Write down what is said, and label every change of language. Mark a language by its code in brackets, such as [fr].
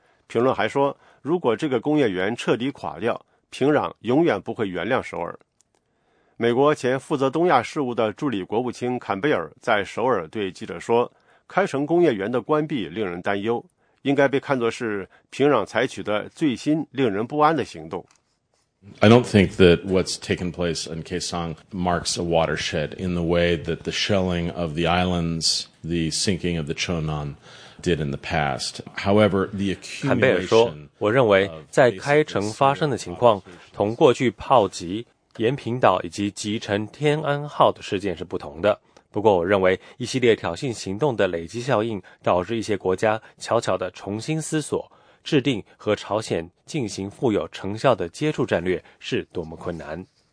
[zh] 评论还说，如果这个工业园彻底垮掉，平壤永远不会原谅首尔。美国前负责东亚事务的助理国务卿坎贝尔在首尔对记者说，开城工业园的关闭令人担忧，应该被看作是平壤采取的最新令人不安的行动。 [en] I don't think that what's taken place in Kaesong marks a watershed in the way that the shelling of the islands, the sinking of the Cheonan,did in the past. However, the accumulation. [zh] 坎贝尔说，我认为在开城发生的情况同过去炮击、延坪岛以及击沉天安号的事件是不同的。不过我认为一系列挑衅行动的累积效应导致一些国家悄悄地重新思索制定和朝鲜进行富有成效的接触战略是多么困难。